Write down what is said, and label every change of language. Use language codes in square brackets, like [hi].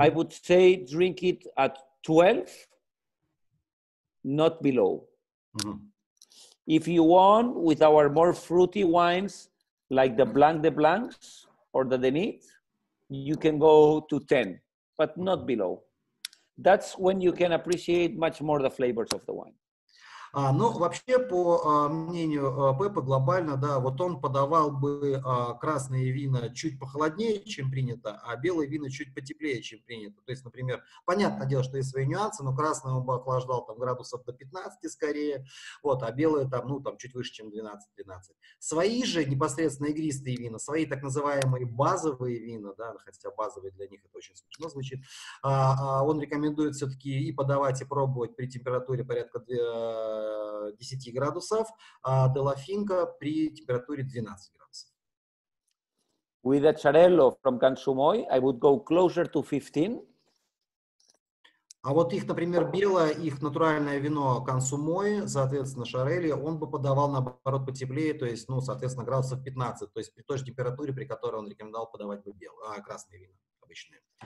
[en] I would say drink it at 12, not below. Mm-hmm. If you want, with our more fruity wines, like the Blanc de Blancs or the Denit, you can go to 10, but not below. That's when you can appreciate much more the flavors of the wine. [ru] Ну, вообще, по мнению Пеппа, глобально, да, вот он подавал бы красные вина чуть похолоднее, чем принято, а белые вина чуть потеплее, чем принято. То есть, например, понятное дело, что есть свои нюансы, но красный он бы охлаждал там градусов до 15 скорее, вот, а белые там, ну, там чуть выше, чем 12-13. Свои же непосредственно игристые вина, свои так называемые базовые вина, да, хотя базовые для них это очень смешно звучит, он рекомендует все-таки и подавать, и пробовать при температуре порядка 10 градусов, а De La Finca при температуре 12 градусов. [en] With a Charello from Canchumoy, I would go closer to 15. [ru] А вот их, например, белое, их натуральное вино Canchumoy, соответственно, Charello, он бы подавал, наоборот, потеплее, то есть, ну, соответственно, градусов 15, то есть при той же температуре, при которой он рекомендовал подавать бы красные вина обычные.